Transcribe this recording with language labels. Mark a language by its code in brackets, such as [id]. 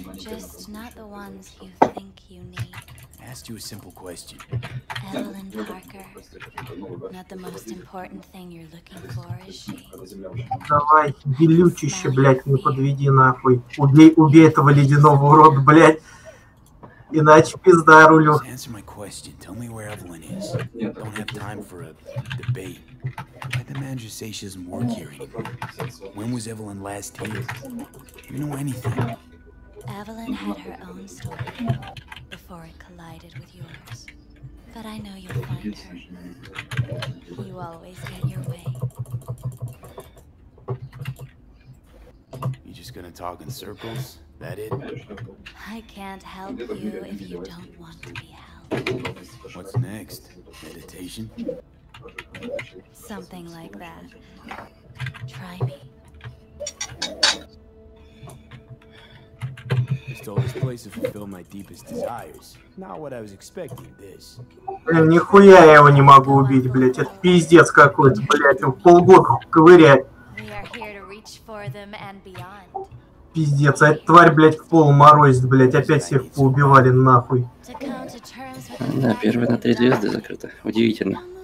[en] Just not the ones you think you need. I asked you a simple question. Evelyn Parker. Not the most important thing you're looking for, is she? [ru] Давай, белючище, блять, не подведи нахуй. Убей этого ледяного урода, блять. Иначе пизда рулю. [en] Just answer my question. Tell me where Evelyn is. Don't have time for a debate. Why the man just say she doesn't work here anymore? When was Evelyn last here? You know anything? Evelyn had her own story before it collided with yours. But I know you'll find her. You always get your way. You just gonna talk in circles? That it? I can't help you if you don't want to be helped. What's next? Meditation? Something like that. Try me. I stole this place to fulfill my deepest desires. Not what I was expecting, this. [ru] Блин, нихуя я его не могу убить, блять. Это пиздец какой-то, блять. Он полгода ковырять. [en] We are here to reach for them and beyond. [ru] Пиздец, а эта тварь, блядь, в полу морозит, блядь, опять всех поубивали, нахуй. Да, первая на 3 звезды закрыта. Удивительно.